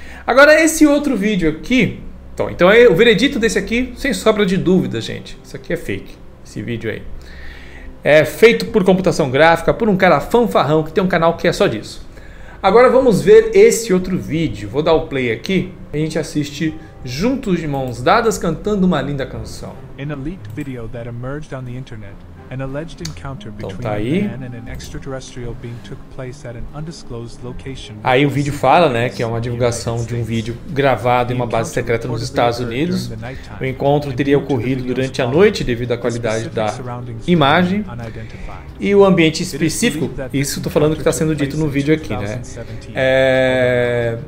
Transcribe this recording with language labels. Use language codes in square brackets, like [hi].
[pt] Agora esse outro vídeo aqui, então o veredito desse aqui, sem sobra de dúvida, gente, isso aqui é fake, esse vídeo aí. É feito por computação gráfica, por um cara fanfarrão que tem um canal que é só disso. Agora vamos ver esse outro vídeo, vou dar o play aqui, a gente assiste juntos de mãos dadas cantando uma linda canção. [en] In a leaked video that emerged on the internet, an alleged encounter between a man and an extraterrestrial being took place at an undisclosed location. [pt] Aí o vídeo fala, né, que é uma divulgação de um vídeo gravado em uma base secreta nos Estados Unidos. O encontro teria ocorrido durante a noite devido à qualidade da imagem e o ambiente específico. Isso estou falando que está sendo dito no vídeo aqui, né?